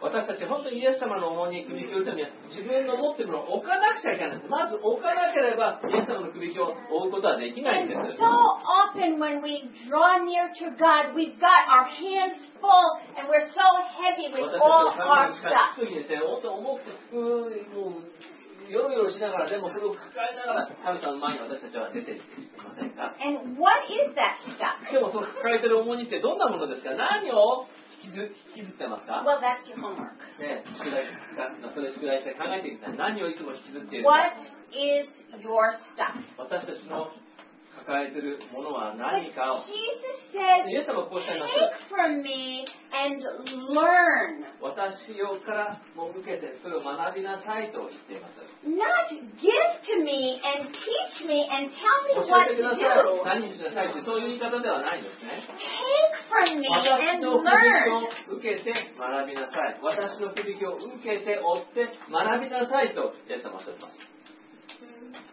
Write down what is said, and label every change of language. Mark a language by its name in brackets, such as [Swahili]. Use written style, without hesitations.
[English] And so often when we draw near to God, we've got our hands full and we're so heavy with all our stuff. [Japanese] ヨロヨロしながらでもそれを抱えながら神様の前に私たちは出ていませんか。 [English] And what is that stuff? [Japanese] でもその抱えてる重荷ってどんなものですか。何を引きずってますか。 [English] Well, that's your homework. [Japanese] それ宿題して考えてみたら何をいつも引きずっている [English] か。What is your stuff? [Japanese] 私たちの抱えてるものは何かを。 [English] Jesus says, [Japanese] イエス様はこうおっしゃいました。 [English] Take from me and learn. [Japanese] 私よからも受けてそれを学びなさいと言っています。 [English] Not give to me and teach me and tell me what to do. [Japanese] 何にしなさいってそういう言い方ではないですね。 [English] Take from me and learn. [Japanese] 私の響きを受けて学びなさい。私の響きを受けて追って学びなさいとイエス様はおっしゃいます。